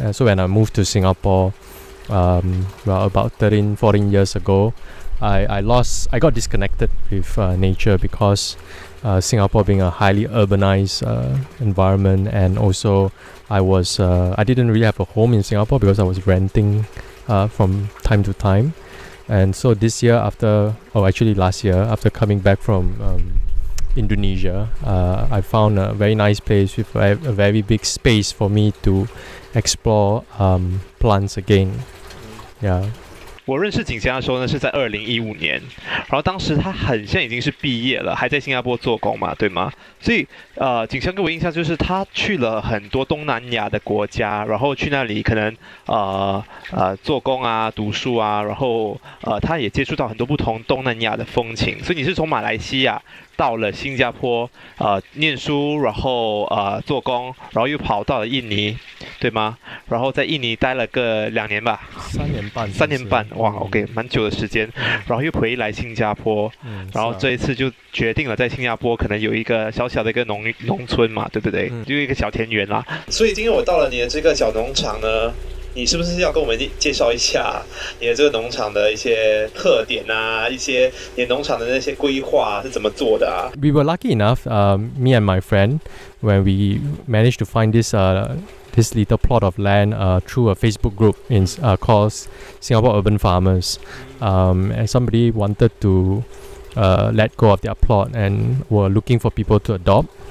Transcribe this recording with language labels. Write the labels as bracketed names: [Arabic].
[English] So when I moved to Singapore, about 13, 14 years ago, I got disconnected with nature because Singapore being a highly urbanized environment, and also I didn't really have a home in Singapore because I was renting from time to time. And so this year after coming back from Indonesia, I found a very nice place with a very big space for me to explore plants again. Yeah. [Chinese] 我认识景祥的时候呢，是在2015年，然后当时他很像已经是毕业了，还在新加坡做工嘛，对吗？所以景祥给我印象就是他去了很多东南亚的国家，然后去那里可能做工啊、读书啊，然后他也接触到很多不同东南亚的风情。所以你是从马来西亚到了新加坡念书，然后做工，然后又跑到了印尼，对吗？然后在印尼待了个两年吧，三年半，哇 ，OK， 蛮久的时间，然后又回来新加坡，然后这一次就决定了在新加坡可能有一个小小的一个农村嘛，对不对？就一个小田园啦。所以今天我到了你的这个小农场呢，你是不是要跟我们介绍一下你的这个农场的一些特点啊，一些你农场的那些规划是怎么做的啊？ [English] We were lucky enough, me and my friend, when we managed to find this little plot of land through a Facebook group in called Singapore Urban Farmers, and somebody wanted to let go of their plot and were looking for people to adopt.